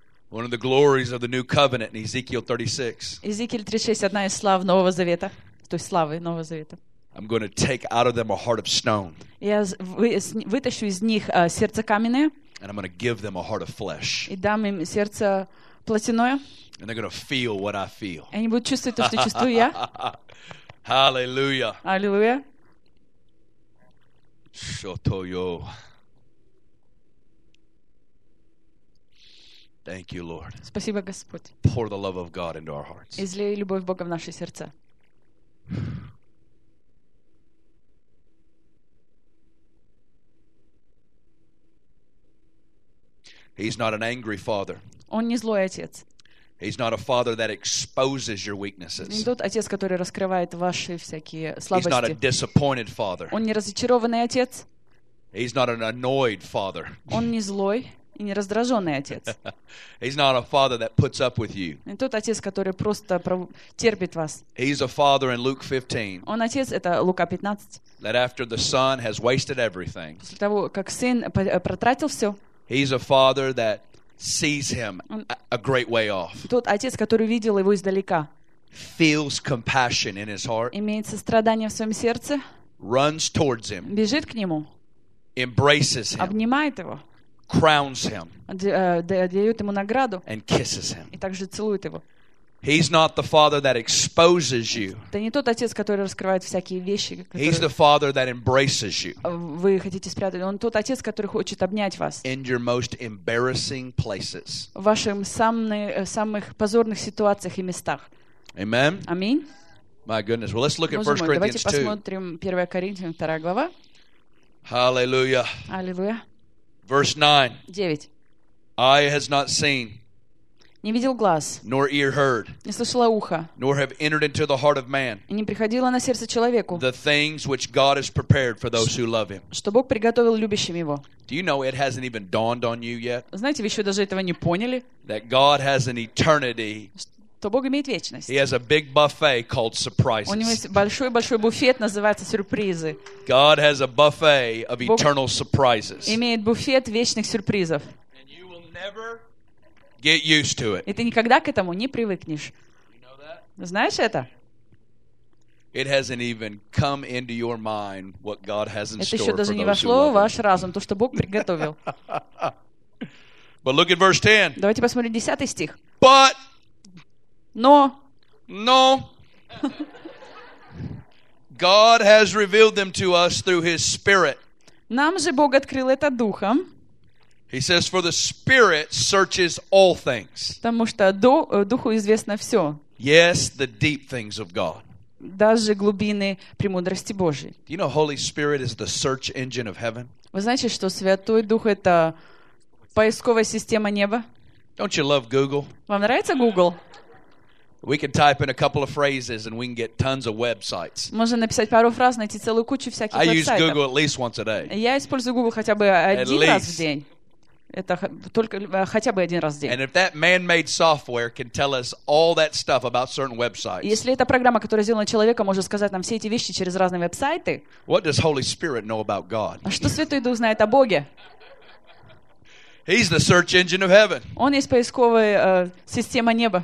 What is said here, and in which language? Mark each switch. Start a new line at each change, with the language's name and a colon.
English: One of the glories of the new covenant in Ezekiel 36.
Russian: Ezekiel 36 одна из слав Нового Завета, то есть славы Нового Завета.
English: I'm going to take out of them a heart of stone.
Russian: Я вытащу из них сердце каменное.
English: And I'm going to give them a heart of flesh.
Russian: И дам им сердце плотяное.
English: And they're going to feel what I feel.
Russian: И они будут чувствовать то, что чувствую я.
English: Hallelujah. Hallelujah. Shotoyo. Thank you, Lord.
Russian: Спасибо, Господь.
English: Pour the love of God into our hearts.
Russian: Излей любовь Бога в наши сердца.
English: He's not an angry father.
Russian: Он не злой отец.
English: He's not a father that exposes your weaknesses.
Russian: Не тот отец, который раскрывает ваши всякие слабости.
English: He's not a disappointed father.
Russian: Он не разочарованный отец.
English: He's not an annoyed father.
Russian: Он не злой. И не раздраженный отец.
English: He's not a father that puts up with you.
Russian: Не тот отец, который просто терпит вас.
English: He's a father in Luke 15.
Russian: Он отец, это Лука 15.
English: That after the son has wasted everything.
Russian: После того, как сын потратил все.
English: He's a father that sees him a great way off.
Russian: Тот отец, который видел его издалека.
English: Feels compassion in his heart.
Russian: Имеет сострадание в своем сердце.
English: Runs towards him.
Russian: Бежит к нему.
English: Embraces him.
Russian: Обнимает его.
English: Crowns him
Russian: дает ему награду
English: and kisses him.
Russian: И также целует его.
English: He's not the father that exposes you.
Russian: Это не тот отец, который раскрывает всякие вещи.
English: He's the father that embraces you.
Russian: Вы хотите спрятать. Он тот отец, который хочет обнять вас.
English: In your most embarrassing places.
Russian: В ваших самых позорных ситуациях и местах.
English: Amen.
Russian: Аминь.
English: My goodness. Well, let's look at 1 Corinthians 2.
Russian: Давайте посмотрим 1 Коринфянам 2 глава.
English: Hallelujah.
Russian: Аллилуйя.
English: Verse 9.
Russian: 9.
English: Eye has not seen.
Russian: Не видел глаз.
English: Nor ear heard.
Russian: Не слышало ухо.
English: Nor have entered into the heart of man.
Russian: И не приходило на сердце человеку.
English: The things which God has prepared for those who love him.
Russian: Что Бог приготовил любящим его.
English: Do you know it hasn't even dawned on you yet?
Russian: Знаете, вы еще даже этого не поняли?
English: That God has an eternity.
Russian: То Бог имеет вечность.
English: He has a big buffet called surprises.
Russian: У него есть большой буфет, называется сюрпризы.
English: God has a buffet of eternal surprises.
Russian: Имеет буфет вечных сюрпризов.
English: And you will never get used to it.
Russian: И ты никогда к этому не привыкнешь. Знаешь это?
English: It hasn't even come into your mind what God has in store for
Russian: Это еще даже не вошло в ваш разум то, что Бог приготовил.
English: But look at verse 10.
Russian: Давайте посмотрим 10 стих.
English: But No. God has revealed them to us through His Spirit.
Russian: Нам же Бог открыл это духом.
English: He says, "For the Spirit searches all things."
Russian: Потому что духу известно все.
English: Yes, the deep things of God.
Russian: Даже глубины премудрости Божьей.
English: Do you know Holy Spirit is the search engine of heaven?
Russian: Вы знаете, что Святой Дух это поисковая система неба?
English: Don't you love Google?
Russian: Вам нравится Google?
English: We can type in a couple of phrases and we can get tons of websites.
Russian: Можно написать пару фраз, найти целую кучу всяких сайтов.
English: I use Google at least once a day.
Russian: Я использую Google хотя бы один раз в день. Это только хотя бы один раз в день.
English: And if that man-made software can tell us all that stuff about certain websites.
Russian: Если эта программа, которая сделана человеком, может сказать нам все эти вещи через разные веб-сайты.
English: What does Holy Spirit know about God?
Russian: А что Святой Дух знает о Боге?
English: He's the search engine of heaven.
Russian: Он есть поисковая система неба.